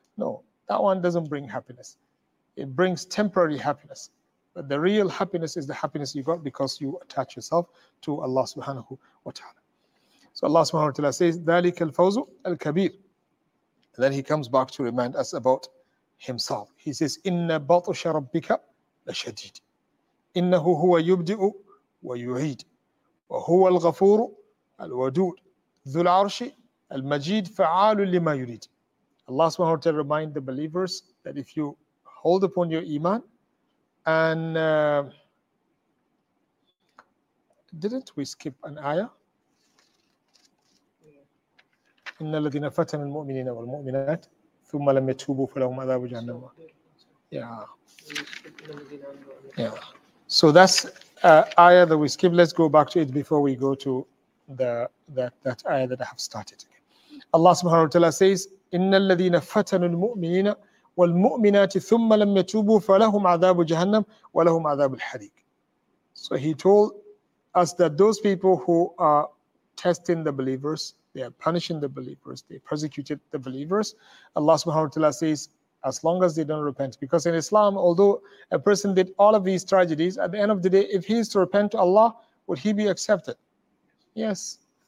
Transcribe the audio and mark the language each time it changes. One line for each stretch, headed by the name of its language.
English: No, that one doesn't bring happiness. It brings temporary happiness. But the real happiness is the happiness you got because you attach yourself to Allah subhanahu wa ta'ala. So Allah subhanahu wa ta'ala says,
Arabic: ذَلِكَ الْفَوْزُ الْكَبِيرُ.
English: And then he comes back to remind us about himself. He says,
Arabic: إِنَّ بَطُشَ رَبِّكَ لَشَدِيدٌ. إِنَّهُ هُوَ يُبْدِئُ وَيُعِيدُ. وَهُوَ الْغَفُورُ الْوَدُودُ. ذُو الْعَرْشِ الْمَجِيدُ فَعَالٌ لِمَا يُرِيدُ.
English: Allah subhanahu wa ta'ala reminds the believers that if you hold upon your iman, and didn't we skip an ayah?
Arabic: إن الذين فتنوا المؤمنين والمؤمنات ثم لم يتوبوا فلهم عذاب جهنم.
English: Yeah. So that's ayah that we skipped. Let's go back to it before we go to that ayah that I have started. Allah subhanahu wa ta'ala says,
Arabic: إن الذين فتنوا المؤمنين وَالْمُؤْمِنَاتِ ثُمَّ لَمْ يَتُوبُوا فَلَهُمْ عَذَابُ جَهَنَّمْ وَلَهُمْ عَذَابُ الْحَرِيقِ.
English: So he told us that those people who are testing the believers, they are punishing the believers, they persecuted the believers. Allah subhanahu wa ta'ala says, as long as they don't repent. Because in Islam, although a person did all of these tragedies, at the end of the day, if he is to repent to Allah, would he be accepted? Yes.